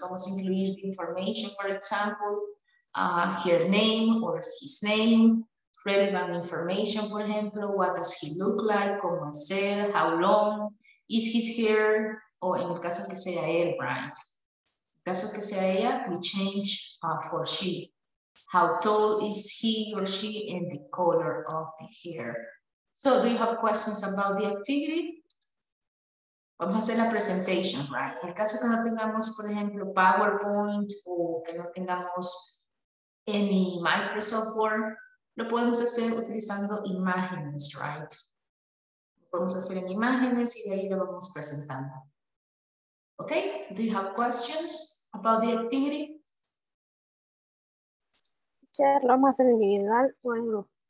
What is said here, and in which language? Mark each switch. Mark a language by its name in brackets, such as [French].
[Spanish] Vamos a incluir [English] information, for example, her name or his name, relevant information, for example, what does he look like, [Spanish] cómo es él, [English] how long is his hair, [Spanish] o en el caso que sea él, [English] right? [Spanish] En el caso que sea ella, [English] we change for she. How tall is he or she in the color of the hair? So do you have questions about the activity? [Spanish] Vamos a hacer la presentation, right? En el caso que no tengamos, por ejemplo, PowerPoint o que no tengamos [English] any Microsoft Word, [Spanish] lo podemos hacer utilizando imágenes, right? Lo podemos hacer en imágenes y de ahí lo vamos presentando. [English] Okay, do you have questions about the activity? [Spanish] ¿Lo vamos a hacer individual o en grupo?